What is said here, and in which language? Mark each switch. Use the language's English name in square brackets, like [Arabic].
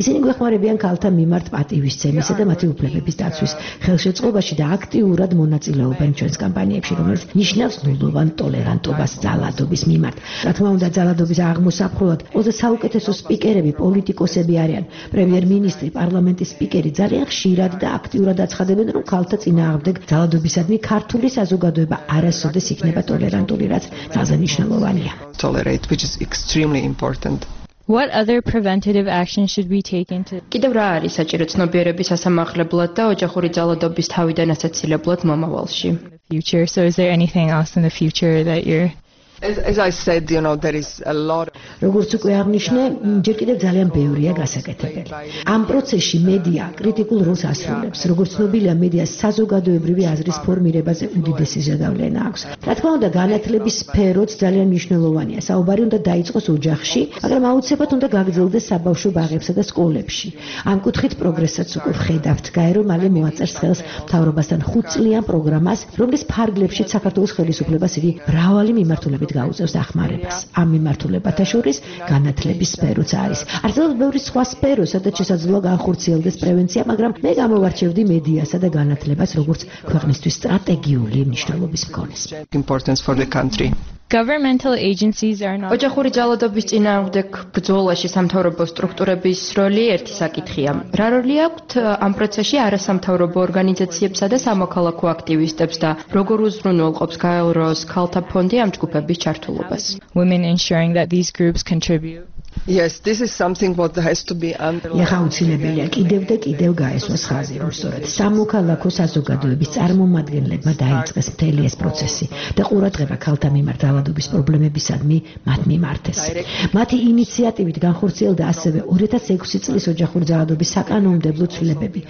[Georgian] ისინი გვეხმარებიან ქალთა მიმართ პატივისცემისა და მათი უფლებების დაცვის ხელშეწყობაში და აქტიურად მონაწილეობენ ჩვენს კამპანიებში, რომელიც ნიშნავს ნულოვან ტოლერანტობას ძალადობის მიმართ. რა თქმა უნდა, ძალადობის აღმოსაფხვრელად ყველაზე საუკეთესო სპიკერები პოლიტიკოსები არიან. პრემიერ-მინისტრი, პარლამენტის სპიკერი ძალიან ხშირად და აქტიურად აცხადებენ, რომ ქალთა წინააღმდეგ ძალადობისადმი ქართული საზოგადოება არასოდეს იქნება ტოლერანტული, რაც ძალზე მნიშვნელოვანია. [English] Tolerate, which is extremely important. What other preventative actions should be taken to [Georgian] კიდევ რა არის საჭირო ცნობიერების ასამაღლებლად და ოჯახური ძალადობის თავიდან ასაცილებლად მომავალში? [English] Future, so is there anything else in the future that you're As I said, you know, there is a lot of [Georgian] როგორც უკვე აღნიშნე, ჯერ კიდევ ძალიან ბევრია გასაკეთებელი. ამ პროცესში მედია კრიტიკულ როლს ასრულებს. როგორც ცნობილია, მედიას საზოგადოებრივი აზრის ფორმირებაზე უდიდესი ზედავლენა აქვს. რა თქმა უნდა, განათლების სფეროც ძალიან მნიშვნელოვანია. საუბარი უნდა დაიწყოს ოჯახში, მაგრამ აუცილებლად უნდა გაგრძელდეს საბავშვო ბაღებსა და სკოლებში. ამ კუთხით პროგრესსაც უკვე ხედავთ. გაერო მალე მოაწერს ხელს მთავრობასთან 5-წლიან პროგრამას, რომლის ფარგლებში საქართველოს ხელისუფლებას იგი მრავალი მიმართულება მეთ გაუწევს ახმარებას. ამ მიმართულებათა შორის განათლების სფეროც არის. არსებობს ბევრი სხვა სფერო, სადაც შესაძლოა განხორციელდეს პრევენცია, მაგრამ მე გამოვარჩევდი მედიასა და განათლებას, როგორც ქვეყნისთვის სტრატეგიული მნიშვნელობის მქონეს. [English] Governmental agencies are not [Georgian] ოჯახური ძალადობის წინააღმდეგ ბრძოლაში სამთავრობო სტრუქტურების როლი ერთი საკითხია. რა როლი აქვთ ამ პროცესში არასამთავრობო ორგანიზაციებსა და სამოქალაქო აქტივისტებს და როგორ უზრუნველყოფს გაეროს ქალთა ფონდი ამ ჯგუფების ჩართულობას? [English] Women ensuring that these groups contribute. Yes, this is something what has to be underlined. [Georgian] ეხა უცილებელია კიდევ და კიდევ გაესვას ხაზი, რომ სწორედ სამოქალაქო საზოგადოების წარმომადგენლებმა დაიწყეს მთელი ეს პროცესი და ყურადღება ქალთა მიმართ ძალადობის პრობლემებისადმი მათ მიმართეს. მათი ინიციატივით განხორციელდა ასევე 2006 წლის ოჯახური ძალადობის საკანონმდებლო ცვლილებები.